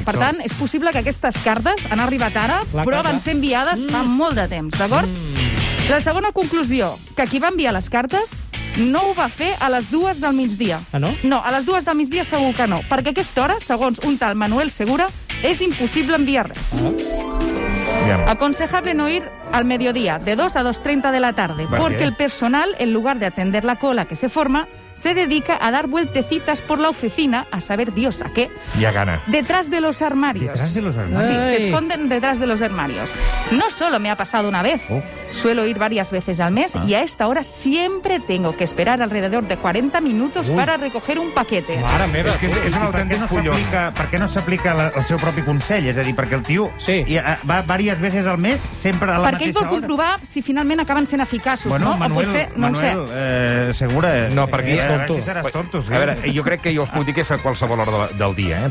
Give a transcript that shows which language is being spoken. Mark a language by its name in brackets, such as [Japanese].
[Catalan] Per tant, és possible que aquestes cartes han arribat ara, però van ser enviades fa molt de temps, d'acord? La segona conclusió, que qui va enviar les cartes no ho va fer a les dues del migdia. Ah, no? No, a les dues del migdia segur que no, perquè a aquesta hora, segons un tal Manuel Segura, és impossible enviar res. [Spanish] Aconsejable no ir al mediodía, de 2 a 2.30 de la tarde, porque el personal, en lugar de atender la cola que se forma, se dedica a dar vueltecitas por la oficina, a saber Dios a qué. Ya gana. Detrás de los armarios. ¿Detrás de los armarios? Sí, se esconden detrás de los armarios. No solo me ha pasado una vez, suelo ir varias veces al mes y a esta hora siempre tengo que esperar alrededor de 40 minutos para recoger un paquete. [Catalan] Mare meva, és que és un autèntic fullón. Per què no s'aplica el seu propi consell? És a dir, perquè el tio va [Spanish] varias veces al mes, [Catalan] sempre a la mateixa hora. Perquè ell vol comprovar si finalment acaben sent eficaços, bueno, no? Manuel, o potser, no Manuel, ho sé. Segura? No, perquè... Tonto. A veure, jo crec que jo us puc dir que és a qualsevol hora del dia, eh?